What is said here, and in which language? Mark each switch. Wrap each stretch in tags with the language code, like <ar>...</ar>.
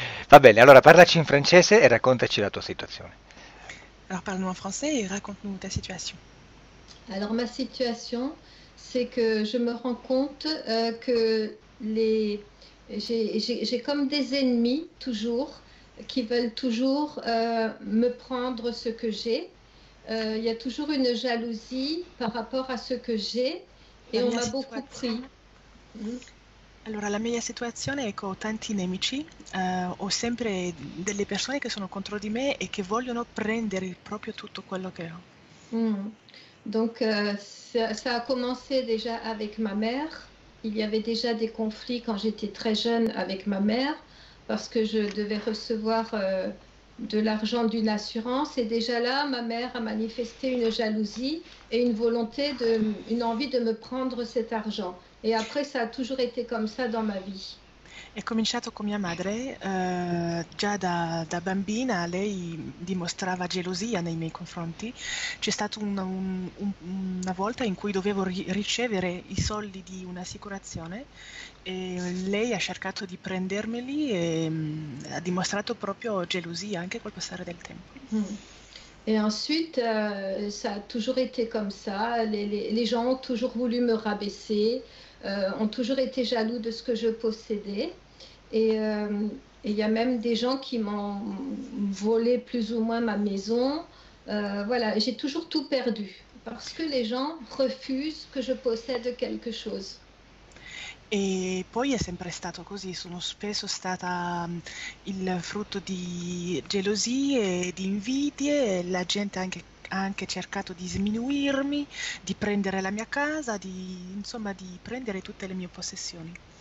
<it>Va bene, allora parlaci in francese e raccontaci la tua situazione.</it> <fr>Alors parle-nous en français et raconte-nous ta situation. Alors ma situation, c'est que je me rends compte que j'ai comme des ennemis toujours, qui veulent toujours me prendre ce que j'ai. Il y a toujours une jalousie par rapport à ce que j'ai et</fr> <it>La</it> <fr>on</fr> <it>mia</it> <fr>m'a beaucoup</fr> <it>situazione.</it> <fr>pris.</fr> <it>Allora, la mia situazione è che ho tanti nemici, ho sempre delle persone che sono contro di me e che vogliono prendere proprio tutto quello che</it> <fr>Donc ça a commencé déjà avec ma mère. Il y avait déjà des conflits quand j'étais très jeune avec ma mère, parce que je devais recevoir de l'argent d'une assurance. Et déjà là, ma mère a manifesté une jalousie et une volonté une envie de me prendre cet argent. Et après, ça a toujours été comme ça dans ma vie.</fr> <it>È cominciato con mia madre, già da bambina lei dimostrava gelosia nei miei confronti. C'è stato una volta in cui dovevo ri ricevere i soldi di un'assicurazione e lei ha cercato di prendermeli e ha dimostrato proprio gelosia anche col passare del tempo.</it> <fr>Et ensuite, ça a toujours été comme ça. Les gens ont toujours voulu me rabaisser, ont toujours été jaloux de ce que je possédais. Et il y a même des gens qui m'ont volé plus ou moins ma maison. Voilà, j'ai toujours tout perdu parce que les gens refusent que je possède quelque chose.</fr> <it>E poi è sempre stato così, sono spesso stata il frutto di gelosie e di invidie, la gente ha anche cercato di sminuirmi, di prendere la mia casa, insomma di prendere tutte le mie possessioni.</it>